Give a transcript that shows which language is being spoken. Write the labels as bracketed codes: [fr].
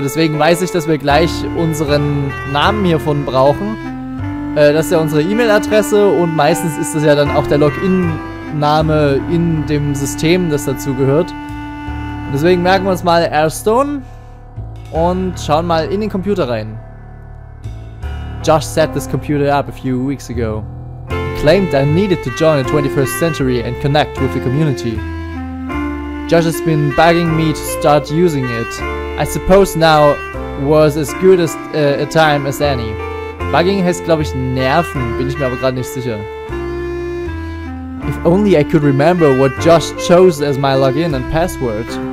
[de] Deswegen weiß ich, dass wir gleich unseren Namen hiervon brauchen. Das ist ja unsere E-Mail-Adresse und meistens ist das ja dann auch der Login-Name in dem System, das dazu gehört. Und deswegen merken wir uns mal Airstone und schauen mal in den Computer rein. [en] Josh set this computer up a few weeks ago. Claimed I needed to join the 21st century and connect with the community. Josh has been begging me to start using it. I suppose now was as good as, a time as any. [de] Bugging heißt, glaube ich, Nerven, bin ich mir aber gerade nicht sicher. [en] If only I could remember what Josh chose as my login and password.